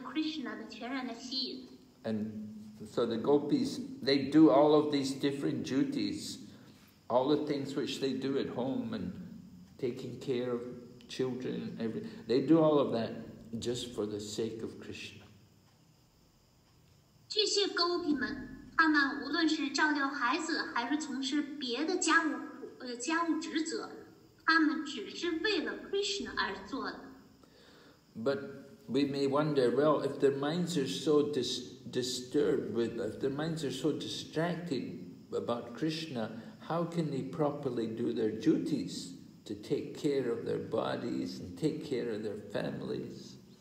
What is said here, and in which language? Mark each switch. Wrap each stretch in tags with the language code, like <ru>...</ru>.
<zh>这些玛图热的女人们就以如下的答案来回复这个疑惑，她们说：“你们必须要观察勾屁们眼中的泪花，这些泪花就证明了她们对Krishna的全然的吸引。”</zh> <en>And so the gopis, they do all of these different duties, all the things which they do at home and taking care of children, everything. They do all of that just for the sake of Krishna.</en> <zh>这些勾屁们，他们无论是照料孩子，还是从事别的家务职责，他们只是为了Krishna而做的。</zh> <en>But we may wonder, well, if their minds are so disturbed with, if their minds are so distracted about Krishna, how can they properly do their duties to take care of their bodies and take care of their families?</en>